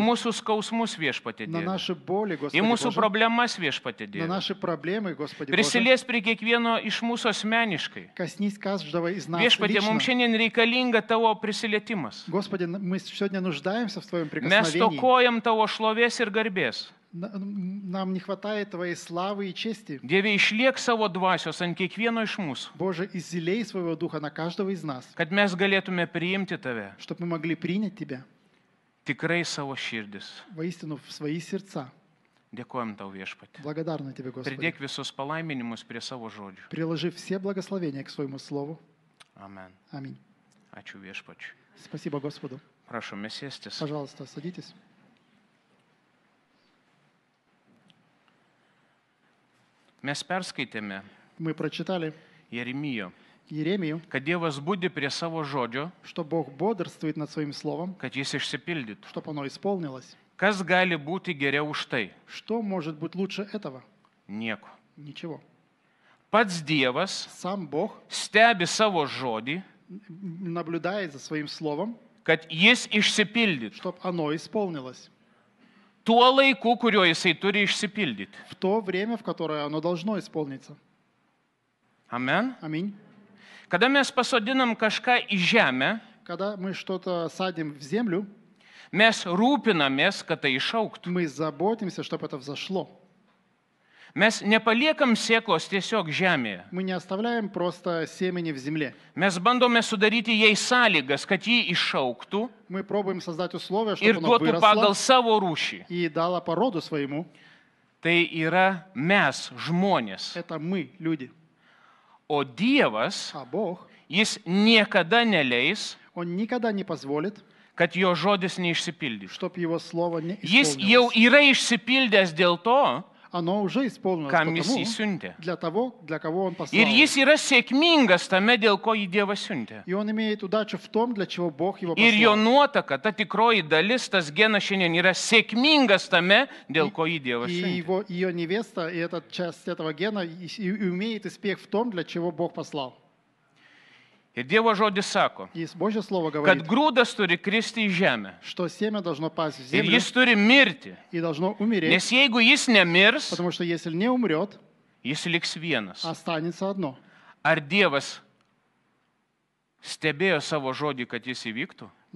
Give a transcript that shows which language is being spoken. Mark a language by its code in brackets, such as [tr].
[lt] Į mūsų скаусмус, Viešpatie Dieve. [ru] На наши боли, Господи. [lt] Į mūsų problemas, Viešpatie Dieve. [ru] На наши проблемы, Господи. [lt] Prisilies prie kiekvieno iš mūsų asmeniškai. [ru] Коснись каждого из нас. [lt] Viešpatie, mums šiandien reikalinga tavo prisilietimas. [ru] Господи, мы сегодня нуждаемся в твоём прикосновении. [lt] Mes stokojam tavo šlovės ir garbės. [ru] Нам не хватает твоей славы и чести. [lt] Dieve, išliek savo dvasios ant kiekvieno iš mūsų. [ru] Боже, излей своего духа на каждого из нас. [lt] Kad mes galėtume priimti tave. [ru] Чтоб мы могли принять тебя. [lt] Tikrai savo širdis. [ru] Воистину в свои сердца. [lt] Dėkojam tau, Viešpatie. [ru] Благодарны тебе, Господи. [lt] Придек visus palaiminimus prie savo žodžių. [ru] Приложи все благословения к своему слову. [lt] Amen. [ru] Аминь. [lt] Ačiū, Viešpačiu. [ru] Спасибо Господу. [lt] Прошу, mes sėstis. [ru] Пожалуйста, садитесь. [lt] Mes perskaitėme [ru] Мы прочитали [lt] Jeremiju, kad Dievas budi prie savo žodžio, [ru] что Бог бодрствует над своим словом, [lt] kad jis išsipildyt, [ru] чтоб оно исполнилось. [lt] Kas gali būti geriau už tai? [ru] Что может быть лучше этого? [lt] Nieko. [ru] Ничего. [lt] Pats Dievas [ru] сам Бог [lt] стебе savo žodį, [ru] наблюдая за своим словом, [lt] kad jis išsipildyt, [ru] чтоб оно исполнилось. [lt] Tuo laiku, kurio jisai turi išsipildyti. [ru] В то время, в которое оно должно исполниться. [lt] Amen. [ru] Аминь. [lt] Kada mes pasodinam kažką į žemę, [ru] когда мы что-то садим в землю, [lt] mes rūpinamės, kad tai išauktų. [ru] Мы заботимся, чтобы это взошло. [lt] Mes nepaliekam sėklos tiesiog žemėje. [ru] Мы не оставляем просто семени в земле. [lt] Mes bandome sudaryti jai sąlygas, kad ji išauktų. [ru] Мы пробуем создать условия, чтобы [lt] ir duotų pagal savo rūšį. [ru] И дала породу своему. [lt] Tai yra mes, žmonės. [ru] Это мы, люди. [lt] O Dievas, [ru] а Бог, [lt] jis niekada neleis, [ru] он никогда не позволит, [lt] kad jo žodis neišsipildys. [ru] Чтоб его слово не исполнилось. [lt] Jis jau yra išsipildęs dėl to, [ru] оно уже исполнилось [lt] kam jis įsiuntė. [ru] Для того, для кого он послал. [lt] Ir jis yra sėkmingas tame, dėl ko jį Dievas siuntė. [ru] И он имеет удачу в том, для чего Бог его послал. [lt] Ir jo nuotaka, ta tikroji dalis, tas genas šiandien yra sėkmingas tame, dėl ko jį Dievas siuntė. [ru] И его невеста, и эта часть этого гена, и имеет успех в том, для чего Бог послал. [lt] Ir Dievo žodis sako, kad grūdas turi kristi į žemę. Ir jis turi mirti. Nes jeigu jis nemirs, jis liks vienas. Ar Dievas stebėjo savo žodį, kad jis įvyktų?